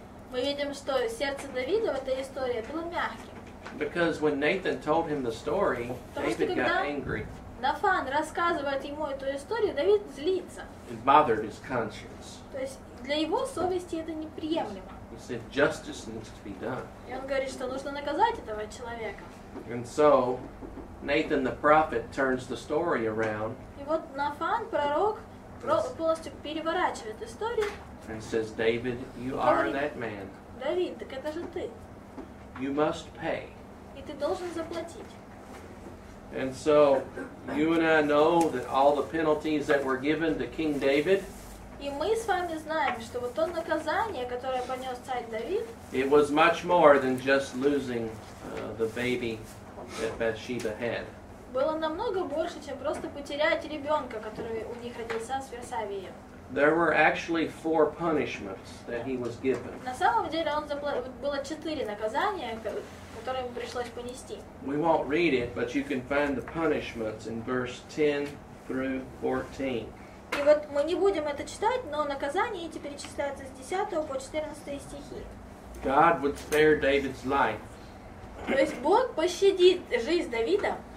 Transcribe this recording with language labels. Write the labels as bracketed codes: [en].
[ru] мы видим, что сердце Давида в этой истории было мягким. [en] Because when Nathan told him the story, David got angry. [ru] Нафан рассказывает ему эту историю, Давид злится. [en] It bothered his conscience. [ru] То есть для его совести это неприемлемо. [en] He said, justice needs to be done. [ru] И он говорит, что нужно наказать этого человека. [en] And so, Nathan the prophet turns the story around. [ru] И вот Нафан, пророк, полностью переворачивает историю. [en] And says, David, you are that man. [ru] Давид, так это же ты. [en] You must pay. [ru] И ты должен заплатить. [en] And so, you and I know that all the penalties that were given to King David, [ru] и мы с вами знаем, что вот то наказание, которое понес царь Давид, [en] it was much more than just losing the baby that Bathsheba had. [ru] Было намного больше, чем просто потерять ребенка, который у них родился с Версавией. [en] There were actually four punishments that he was given. [ru] На самом деле он было четыре наказания, которые ему пришлось понести. [en] We won't read it, but you can find the punishments in verse 10 through 14. [ru] И вот мы не будем это читать, но наказания эти перечисляются с 10 по 14 стихи. [en] God would spare David's life. [ru] То есть Бог пощадит жизнь Давида.